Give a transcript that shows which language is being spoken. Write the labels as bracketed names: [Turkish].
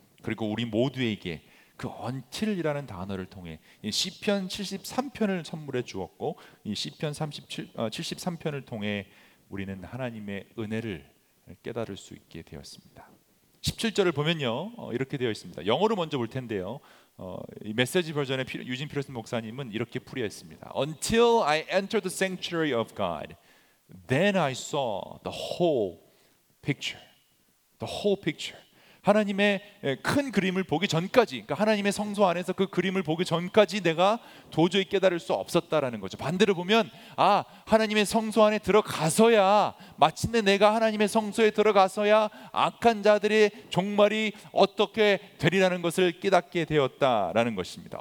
[Korean] 그리고 우리 모두에게 그 until이라는 단어를 통해 이 시편 73편을 선물해 주었고, 이 시편 73편을 통해 우리는 하나님의 은혜를 깨달을 수 있게 되었습니다. 17절을 보면요 이렇게 되어 있습니다. 영어로 먼저 볼 텐데요, 이 메시지 버전의 유진 피러슨 목사님은 이렇게 풀이했습니다. [English] Until I entered the sanctuary of God, then I saw the whole picture. The whole picture. [Korean] 하나님의 큰 그림을 보기 전까지, 그러니까 하나님의 성소 안에서 그 그림을 보기 전까지 내가 도저히 깨달을 수 없었다라는 거죠. 반대로 보면, 아, 하나님의 성소 안에 들어가서야, 마침내 내가 하나님의 성소에 들어가서야 악한 자들의 종말이 어떻게 되리라는 것을 깨닫게 되었다라는 것입니다.